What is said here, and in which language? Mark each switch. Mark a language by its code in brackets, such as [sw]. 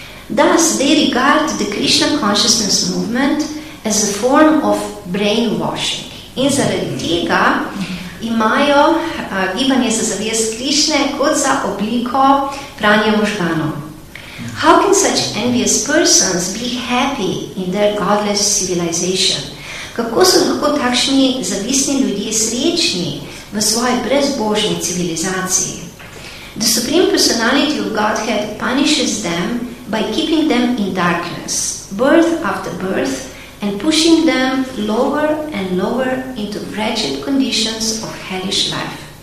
[en] Thus, they regard the Krishna consciousness movement as a form of brainwashing. [sl] In zaradi tega imajo gibanje za zavest Krišne kot za obliko pranja možganov. [en] How can such envious persons be happy in their godless civilization? [sl] Kako so lahko takšni zavisni ljudje srečni v svoji brezbožni civilizaciji? [en] The Supreme Personality of Godhead punishes them by keeping them in darkness, birth after birth, and pushing them lower and lower into wretched conditions of hellish life.